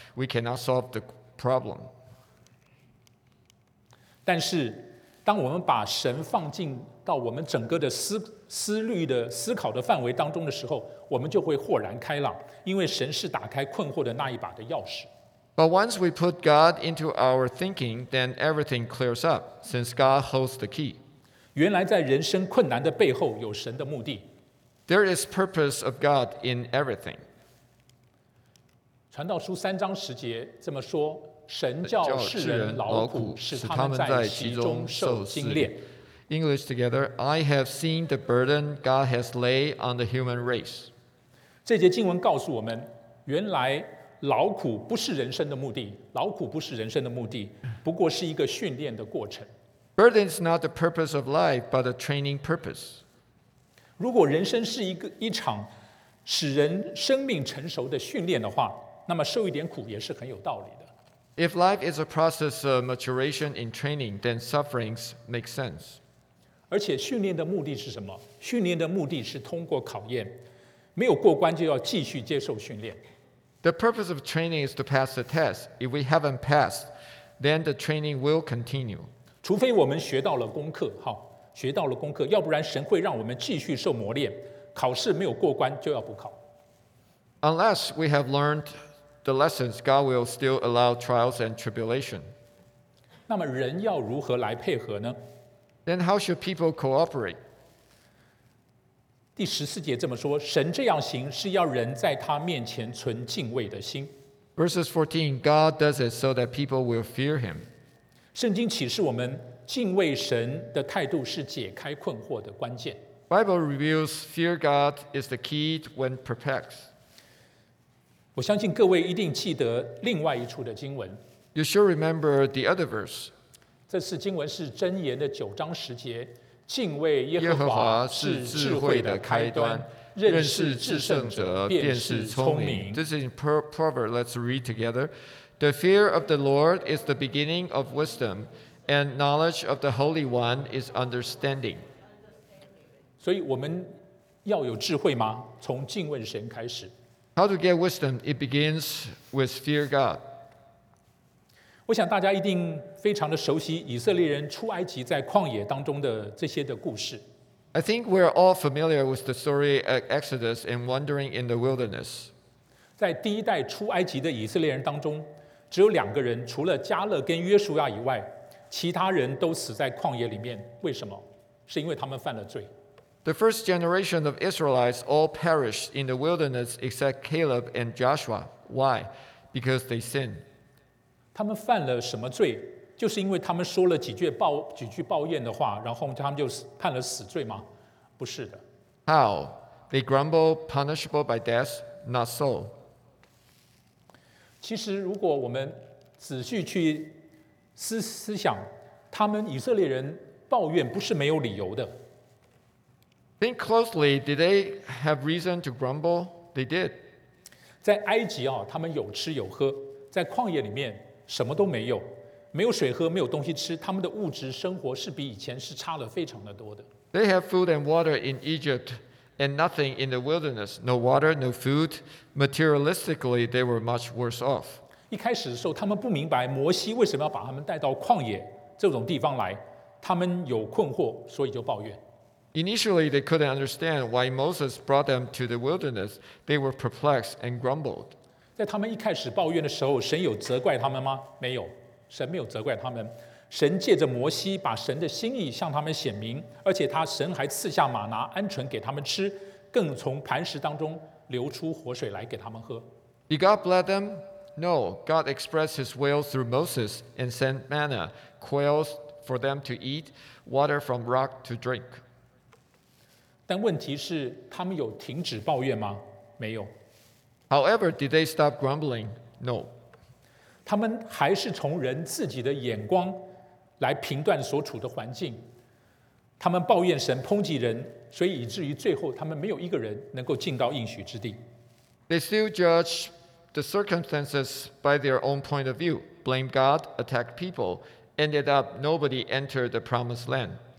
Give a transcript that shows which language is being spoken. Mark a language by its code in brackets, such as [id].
[en] We cannot solve the problem. [zh] 但是当我们把神放进到我们整个的思虑的思考的范围当中的时候，我们就会豁然开朗，因为神是打开困惑的那一把的钥匙。 [en] But once we put God into our thinking, then everything clears up, since God holds the key. [zh] 原来在人生困难的背后有神的目的。 [en] There is purpose of God in everything. [zh] 传道书三章十节这么说，神叫世人劳苦，使他们在其中受精炼。 [en] English together, I have seen the burden God has laid on the human race. [zh] 这节经文告诉我们，原来劳苦不是人生的目的，劳苦不是人生的目的，不过是一个训练的过程。 [en] Burden is not the purpose of life, but a training purpose. [zh] 如果人生是一场使人生命成熟的训练的话，那么受一点苦也是很有道理的。 [en] If life is a process of maturation in training, then sufferings make sense. [zh] 而且训练的目的是什么？训练的目的是通过考验，没有过关就要继续接受训练。 [en] The purpose of training is to pass the test. If we haven't passed, then the training will continue. [zh] 除非我们学到了功课，好，学到了功课，要不然神会让我们继续受磨练。考试没有过关就要补考。 [en] Unless we have learned the lessons, God will still allow trials and tribulation. [zh] 那么人要如何来配合呢？ [en] Then how should people cooperate? [zh] 第十四节这么说，神这样行是要人在他面前存敬畏的心。 [en] Verses 14, God does it so that people will fear him. [zh] 圣经启示我们，敬畏神的态度是解开困惑的关键。 [en] Bible reveals fear God is the key when perplexed. [zh] 我相信各位一定记得另外一处的经文。 [en] You should remember the other verse. [zh] 这次经文是箴言的九章十节。敬畏耶和华是智慧的开端，认识至圣者便是聪明。 [en] This is in Proverbs. Let's read together. The fear of the Lord is the beginning of wisdom, and knowledge of the Holy One is understanding. [zh] 所以我们要有智慧吗？从敬畏神开始。 [en] How to get wisdom? It begins with fear God. [zh] 我想大家一定非常的熟悉以色列人出埃及在旷野当中的这些的故事。 [en] I think we're all familiar with the story of Exodus and wandering in the wilderness. [zh] 在第一代出埃及的以色列人当中，只有两个人，除了加勒跟约书亚以外，其他人都死在旷野里面。为什么？是因为他们犯了罪。 [en] The first generation of Israelites all perished in the wilderness except Caleb and Joshua. Why? Because they sinned. [zh] 他们犯了什么罪？就是因为他们说了几句抱怨的话，然后他们就判了死罪吗？不是的。 [en] How? They grumble, punishable by death? Not so. [zh] 其实如果我们仔细去思想，他们以色列人抱怨不是没有理由的。 [en] Think closely, did they have reason to grumble? They did. [zh] 在埃及啊，他们有吃有喝，在旷野里面什么都没有，没有水喝，没有东西吃，他们的物质生活是比以前是差了非常的多的。 [en] They have food and water in Egypt and nothing in the wilderness. No water, no food. Materialistically, they were much worse off. [zh] 一开始的时候，他们不明白摩西为什么要把他们带到旷野这种地方来，他们有困惑，所以就抱怨。 [en] Initially, they couldn't understand why Moses brought them to the wilderness. They were perplexed and grumbled. [zh] 在他们一开始抱怨的时候，神有责怪他们吗？没有，神没有责怪他们。神借着摩西把神的心意向他们显明，而且他神还赐下玛拿鹌鹑给他们吃，更从磐石当中流出活水来给他们喝。 [en] Did God bless them? No. God expressed His will through Moses and sent manna, quails for them to eat, water from rock to drink. [zh] 但问题是，他们有停止抱怨吗？没有。 [en] However, did they stop grumbling? No. [zh] 他们还是从人自己的眼光来评断所处的环境。他们抱怨神，抨击人，所以以至于最后他们没有一个人能够进到应许之地。 [en] They still judge the circumstances by their own point of view, blame God, attack people, ended up nobody entered the promised land.